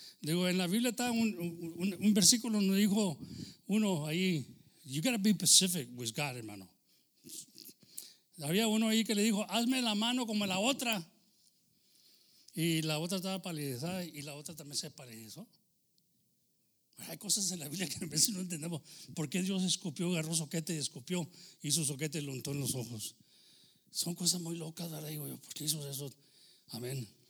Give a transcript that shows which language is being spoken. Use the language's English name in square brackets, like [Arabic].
[Spanish] Digo, en la Biblia está un versículo donde dijo uno ahí... [English] You got to be specific with God, hermano. [Spanish] Había uno ahí que le dijo, hazme la mano como la otra. Y la otra estaba palidezada y la otra también se palidezó. Hay cosas en la Biblia que a veces no entendemos. ¿Por qué Dios escupió, agarró soquete y escupió? Hizo soquete y lo untó en los ojos. Son cosas muy locas, ahora digo yo, ¿por qué hizo eso? Amén.